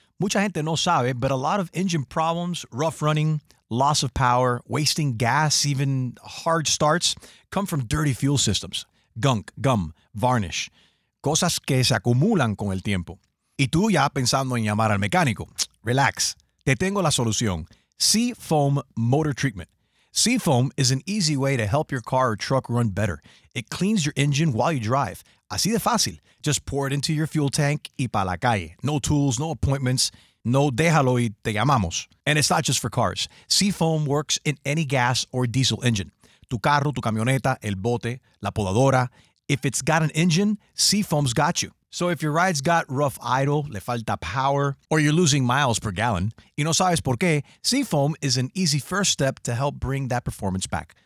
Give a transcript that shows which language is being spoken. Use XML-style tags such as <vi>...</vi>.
<es>Mucha gente no sabe,</es> <en>but a lot of engine problems, rough running, loss of power, wasting gas, even hard starts, come from dirty fuel systems. Gunk, gum, varnish.</en> <es>Cosas que se acumulan con el tiempo. Y tú ya pensando en llamar al mecánico. Relax, te tengo la solución.</es> <en>Seafoam Motor Treatment. Seafoam is an easy way to help your car or truck run better. It cleans your engine while you drive.</en> <es>Así de fácil.</es> <en>Just pour it into your fuel tank</en> <es>y pa' la calle.</es> <en>No tools, no appointments, no</en> <es>déjalo y te llamamos.</es> <en>And it's not just for cars. Seafoam works in any gas or diesel engine.</en> <es>Tu carro, tu camioneta, el bote, la podadora.</es> <en>If it's got an engine, Seafoam's got you. So if your ride's got rough idle,</en> <es>le falta</es> <en>power, or you're losing miles per gallon,</en> <es>y no sabes por qué,</es> <en>Seafoam is an easy first step to help bring that performance back.</en>